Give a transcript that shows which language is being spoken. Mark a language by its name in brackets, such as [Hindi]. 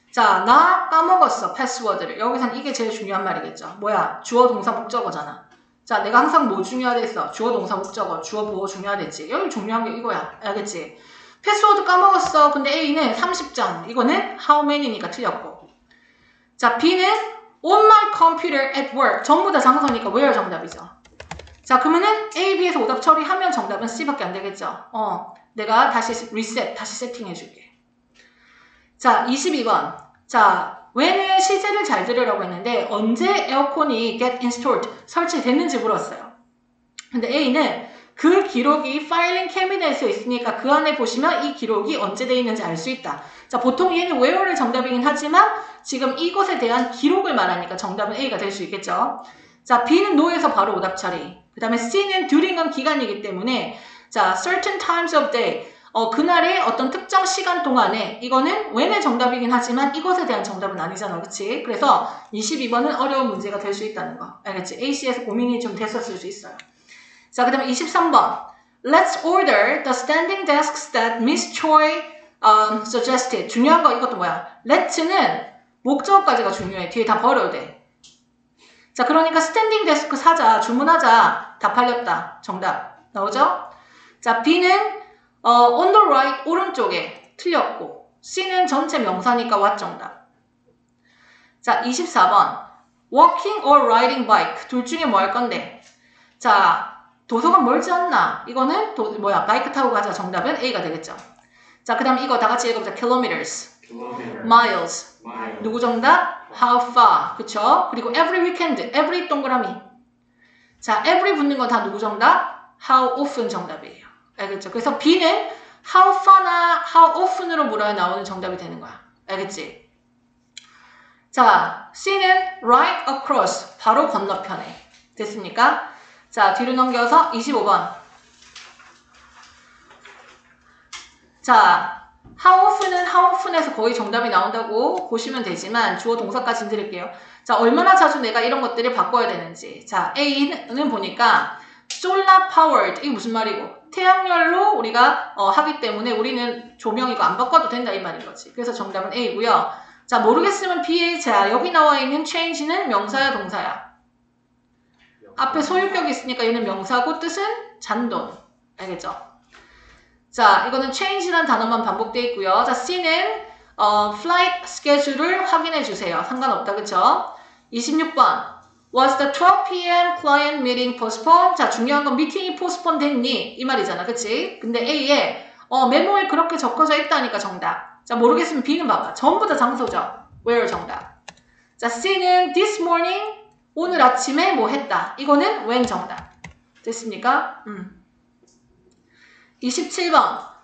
[Korean] 자, 나 까먹었어. 패스워드를. 여기서는 이게 제일 중요한 말이겠죠. 뭐야? 주어, 동사, 목적어잖아. 자, 내가 항상 뭐 중요하대 했어? 주어, 동사, 목적어. 주어, 보어 중요하댔지. 여기 중요한 게 이거야. 알겠지? 패스워드 까먹었어. 근데 A는 30장. 이거는 how many니까 틀렸고. 자, B는 [English] on my computer at work. [Korean] 전부 다 장소니까 where 정답이죠. 자 그러면은 A, B에서 오답 처리하면 정답은 C밖에 안 되겠죠. 내가 다시 리셋, 다시 세팅해 줄게. 자 22번. 자 when의 시제를 잘 들으라고 했는데 언제 에어컨이 get installed, 설치됐는지 물었어요. 근데 A는 그 기록이 파일링 캐비넷에 있으니까 그 안에 보시면 이 기록이 언제 돼 있는지 알 수 있다. 자 보통 얘는 where의 정답이긴 하지만 지금 이것에 대한 기록을 말하니까 정답은 A가 될 수 있겠죠. 자 B는 no에서 바로 오답 처리. 그 다음에 C는 during은 기간이기 때문에 자 [English] certain times of day [Korean] 그날의 어떤 특정 시간 동안에 이거는 when의 정답이긴 하지만 이것에 대한 정답은 아니잖아 그치? 그래서 22번은 어려운 문제가 될 수 있다는 거 알겠지? AC에서 고민이 좀 됐었을 수 있어요. 자 그 다음에 23번 [English] Let's order the standing desks that Miss Choi suggested. [Korean] 중요한 거 이것도 뭐야? Let's는 목적어까지가 중요해. 뒤에 다 버려도 돼. 자 그러니까 스탠딩 데스크 사자 주문하자 다 팔렸다 정답 나오죠? 자 B는 on the right 오른쪽에 틀렸고 C는 전체 명사니까 what 정답 자 24번 [English] walking or riding bike [Korean] 둘 중에 뭐 할 건데 자 도서관 멀지 않나 이거는 뭐야 바이크 타고 가자 정답은 A가 되겠죠 자 그 다음 이거 다 같이 읽어보자 kilometers miles 누구 정답? [English] How far? 그쵸? [Korean] 그리고 every weekend, every 동그라미. 자, every 붙는 건 다 누구 정답? [English] How often [Korean] 정답이에요. 알겠죠? 그래서 B는 how far나 how often으로 물어야 나오는 정답이 되는 거야. 알겠지? 자, C는 right across, 바로 건너편에. 됐습니까? 자, 뒤로 넘겨서 25번. 자, How often은 how often에서 거의 정답이 나온다고 보시면 되지만 주어 동사까지 드릴게요. 자 얼마나 자주 내가 이런 것들을 바꿔야 되는지. 자 A는 보니까 solar powered 이게 무슨 말이고 태양열로 우리가 하기 때문에 우리는 조명 이거 안 바꿔도 된다 이 말인 거지. 그래서 정답은 A고요. 자 모르겠으면 B에 자 여기 나와 있는 change는 명사야 동사야. 앞에 소유격이 있으니까 얘는 명사고 뜻은 잔돈. 알겠죠? 자, 이거는 change란 단어만 반복되어 있고요. 자, C는 flight schedule을 확인해 주세요. 상관없다, 그쵸? [English] 26번, was the 12 PM client meeting postponed? [Korean] 자, 중요한 건 미팅이 postponed 됐니? 이 말이잖아, 그치? 근데 A에 메모에 그렇게 적혀져 있다니까 정답. 자, 모르겠으면 B는 봐봐. 전부 다 장소죠. Where 정답. 자, C는 this morning, 오늘 아침에 뭐 했다. 이거는 when 정답. 됐습니까? 27번.